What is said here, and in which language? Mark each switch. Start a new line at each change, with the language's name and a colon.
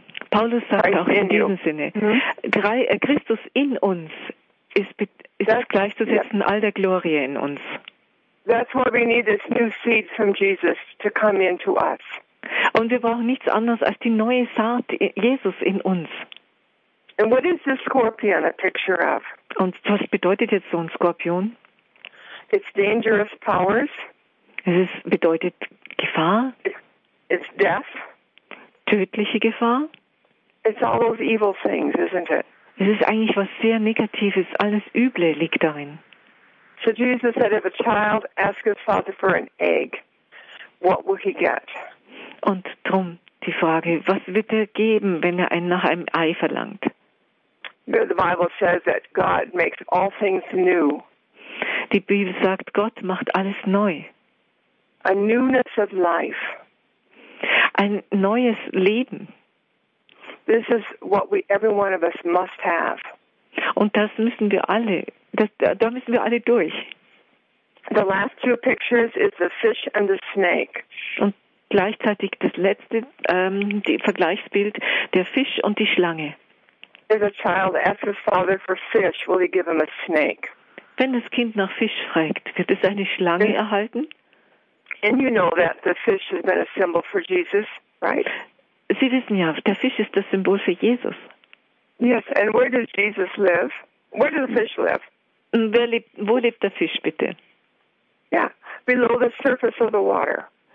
German: Paulus sagt Christ auch in diesem you. Sinne, Christus in uns ist gleichzusetzen all der Glorie in uns.
English: That's why we need this new seed from Jesus to come into us.
German: Und wir brauchen nichts anderes als die neue Saat Jesus in uns.
English: And what is the scorpion a picture of?
German: Und was bedeutet jetzt so ein Skorpion?
English: It's dangerous powers.
German: Es bedeutet Gefahr.
English: It's death.
German: Tödliche Gefahr.
English: It's all those evil things, isn't it?
German: Es ist eigentlich was sehr Negatives. Alles Üble liegt darin.
English: So Jesus said, if a child asks his father for an egg, what will he get?
German: Und drum die Frage, was wird er geben, wenn er nach einem Ei verlangt?
English: The Bible says that God makes all things new.
German: Die Bibel sagt, Gott macht alles neu.
English: A newness of life.
German: Ein neues Leben.
English: This is what every one of us must have.
German: Und das müssen wir alle, da müssen wir alle durch.
English: The last two pictures is the fish and the snake.
German: Und gleichzeitig das letzte Vergleichsbild, der Fisch und die Schlange.
English: If a child asks his father for fish, will he give him a snake?
German: Wenn das Kind nach Fisch fragt, wird es eine Schlange erhalten?
English: And you know that the fish has been a symbol for Jesus, right?
German: Sie wissen ja, der Fisch ist das Symbol für Jesus.
English: Yes, and where does Jesus live? Where does the fish live?
German: Wo lebt der Fisch bitte?
English: Yeah, below the surface of the water.